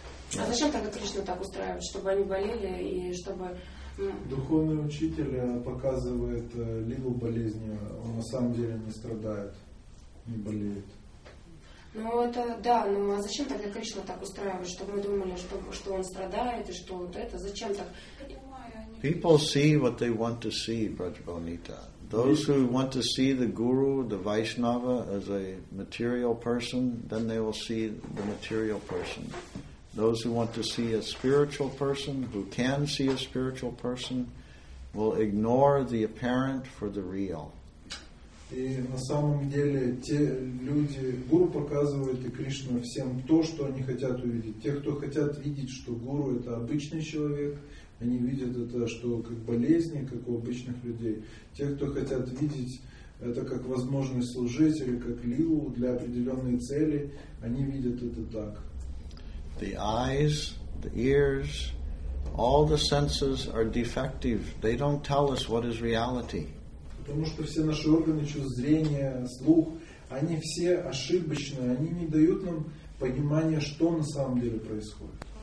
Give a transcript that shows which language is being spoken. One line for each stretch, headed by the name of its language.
English: Yes.
Russian: А зачем тогда Кришна так устраивает, чтобы они болели и чтобы? Духовный учитель показывает лилу болезни, он на самом деле не страдает, не болеет. Ну это да, ну а зачем тогда Кришна так устраивает, чтобы мы думали, что он страдает и что вот это, зачем так?
English: People see what they want to see, Braj Bonita. Those who want to see the guru, the Vaishnava, as a material person, then they will see the material person. Those who want to see a spiritual person, who can see a spiritual person, will ignore the apparent for the real.
Russian: И на самом деле те люди, гуру показывает и Кришна всем то, что они хотят увидеть. Те, кто хотят видеть, что гуру это обычный человек, они видят это, что как болезни, как у обычных людей. Те, кто хотят видеть это как возможность служить или как лилу для определенной цели, они видят это так.
English: The eyes, the ears, all the senses are defective. They don't tell us what is reality.
Russian: Потому что все наши органы чувств, зрение, слух, они все ошибочны. Они не дают нам понимания, что на самом деле происходит.